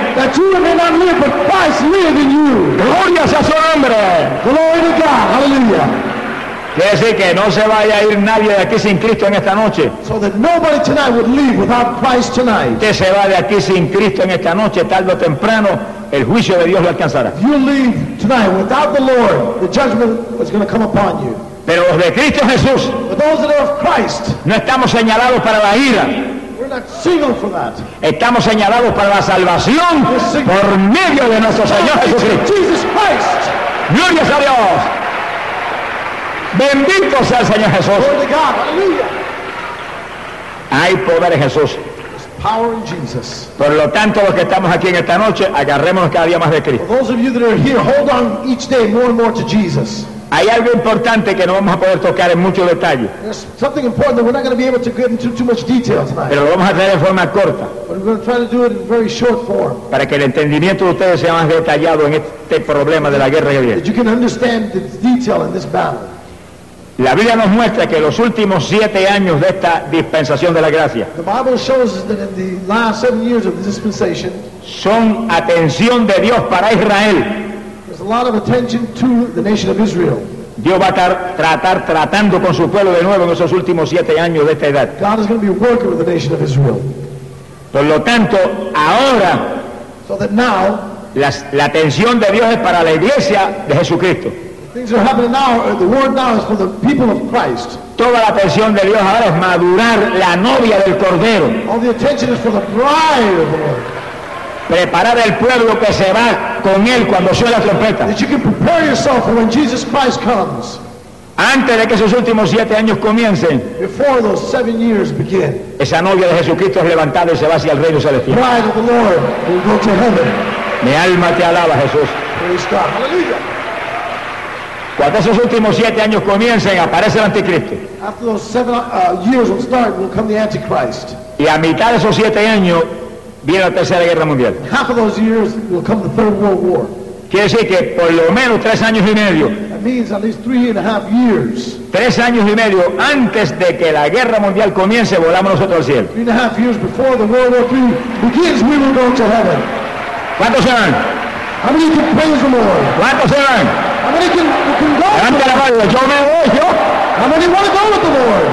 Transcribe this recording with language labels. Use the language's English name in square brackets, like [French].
[English] That you may not live, but Christ live in you. [Spanish] Gloria sea su nombre. [English] Glory to God. Hallelujah. [Spanish] Quiere decir que no se vaya a ir nadie de aquí sin Cristo en esta noche. [English] So that nobody tonight would leave without Christ tonight. [Spanish] Usted se va de aquí sin Cristo en esta noche, tarde o temprano, el juicio de Dios lo alcanzará. [English] You leave tonight without the Lord, the judgment is going to come upon you. [Spanish] Pero los de Cristo Jesús, [English] but those that are of Christ, [Spanish] no estamos señalados para la ira. [English] We're not signaled for that. [Spanish] Estamos señalados para la salvación por medio de nuestro Señor Jesucristo. [English] Jesus Christ. [Spanish] Gloria a Dios. Bendito sea el Señor Jesús. [English] Glory to God. Hallelujah. [Spanish] Hay poder en Jesús. [English] Power in Jesus. [Spanish] Por lo tanto, los que estamos aquí en esta noche, agarrémonos cada día más de Cristo. [English] For those of you that are here, hold on each day more and more to Jesus. [Spanish] Hay algo importante que no vamos a poder tocar en mucho detalle. [English] There's something important that we're not going to be able to get into too much detail tonight. [Spanish] Pero lo vamos a traer en forma corta. [English] But we're going to try to do it in very short form. [Spanish] Para que el entendimiento de ustedes sea más detallado en este problema de la guerra que viene. [English] That you can understand the detail in this battle. [Spanish] La Biblia nos muestra que los últimos siete años de esta dispensación de la gracia son atención de Dios para Israel. [English] There's a lot of attention to the nation of Israel. [Spanish] Dios va a estar tratando con su pueblo de nuevo en esos últimos siete años de esta edad. [English] God is going to be working with the nation of Israel. [Spanish] Por lo tanto, ahora [English] so that now, [Spanish] la atención de Dios es para la iglesia de Jesucristo. [English] Things are happening now, the word now is for the people of Christ. [Spanish] Toda la atención de Dios ahora es madurar la novia del Cordero. [English] All the attention is for the bride of the Lord. [Spanish] Preparar el pueblo que se va con él cuando suene la trompeta. [English] That you can prepare yourself for when Jesus Christ comes. [Spanish] Antes de que esos últimos siete años comiencen, [English] before those seven years begin, [Spanish] esa novia de Jesucristo es levantada y se va hacia el reino celestial. [English] The bride of the Lord will go to heaven. [Spanish] Mi alma te alaba, Jesús. Aleluya. Cuando esos últimos siete años comiencen, aparece el anticristo. [English] After those seven years will start, will come the Antichrist. [Spanish] Y a mitad de esos siete años viene la Tercera Guerra Mundial. [English] Half of those years will come the Third World War. [Spanish] Quiere decir que por lo menos tres años y medio. [English] That means at least three and a half years. [Spanish] Tres años y medio antes de que la guerra mundial comience, volamos nosotros al cielo. [English] Three and a half years before the World War III begins, we will go to heaven. [Spanish] ¿Cuántos se van? [English] How many can praise the Lord? [Spanish] ¿Cuántos se van? [English] How many can go? [Spanish] Levanta la mano. Yo me voy. Yo. [English] How many want to go with the Lord?